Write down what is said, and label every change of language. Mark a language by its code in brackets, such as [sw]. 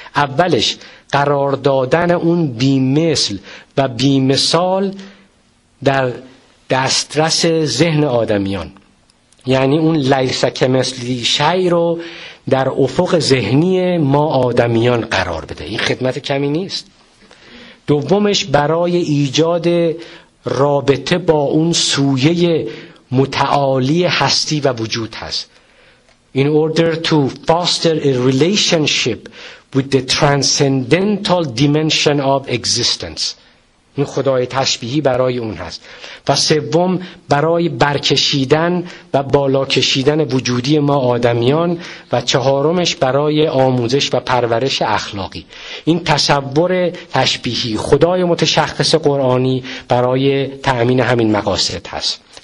[fa] اولش قرار دادن اون بیمثل و بیمثال در دسترس ذهن آدمیان، یعنی اون [ar] لیس کمثلی شیء [fa] رو در افق ذهنی ما آدمیان قرار بده. این خدمت کمی نیست. دومش برای ایجاد رابطه با اون سویه متعالی هستی و وجود هست. [en] In order to foster a relationship with the transcendental dimension of existence. [fa] این خدای تشبیهی برای اون هست. و سوم برای برکشیدن و بالا کشیدن وجودی ما آدمیان. و چهارمش برای آموزش و پرورش اخلاقی. این تصور تشبیهی خدای متشخص قرآنی برای تأمین همین مقاصد هست.